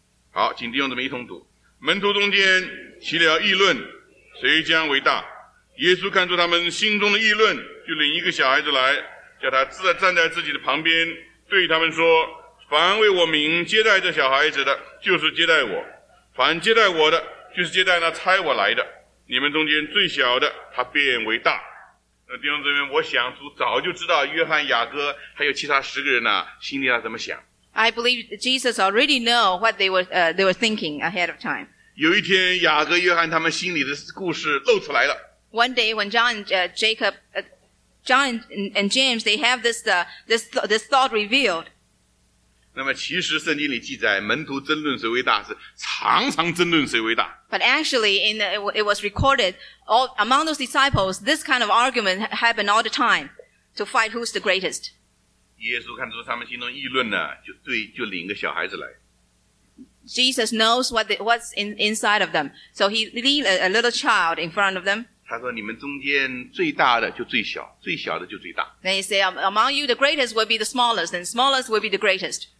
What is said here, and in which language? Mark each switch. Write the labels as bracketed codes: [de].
[zh] 好请弟兄姊妹一同读门徒中间起了议论谁将为大耶稣看出他们心中的议论就领一个小孩子来叫他站在自己的旁边对他们说凡为我名接待这小孩子的就是接待我凡接待我的就是接待那差我来的你们中间最小的他变为大那弟兄姊妹我想主早就知道约翰雅各还有其他十个人呢、啊，心里他怎么想 [en] I believe Jesus already know what they were thinking ahead of time [zh] 有一天雅各约翰他们心里的故事露出来了。 [en] One day when John and James, they have this thought revealed. [zh] 那么其实圣经里记载门徒争论谁伟大是常常争论谁伟大。 [en] But actually, it was recorded, all, among those disciples, this kind of argument happened all the time to fight who's the greatest. [zh] 耶稣看出他们心中议论呢，就领个小孩子来。 [en] Jesus knows what's inside of them. So he lead a little child in front of them. [zh] 他说你们中间最大的就最小，最小的就最大。 [en] Then he say, among you the greatest will be the smallest, and smallest will be the greatest.